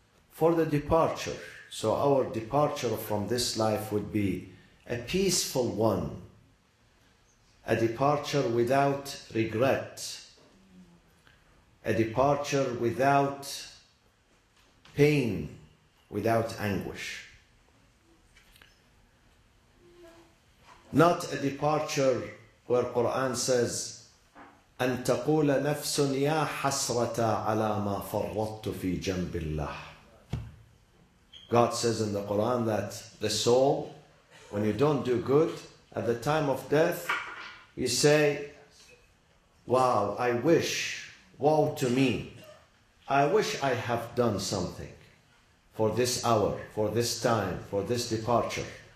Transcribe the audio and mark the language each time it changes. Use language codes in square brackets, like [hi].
[en] for the departure, so our departure from this life would be a peaceful one, a departure without regret, a departure without pain, without anguish. Not a departure where Quran says, [ar] أن تقول نفس يا حسرة على ما فرطت في جنب الله. [en] God says in the Quran that the soul, when you don't do good, at the time of death, you say, wow, I wish, woe to me, I wish I have done something for this hour, for this time, for this departure.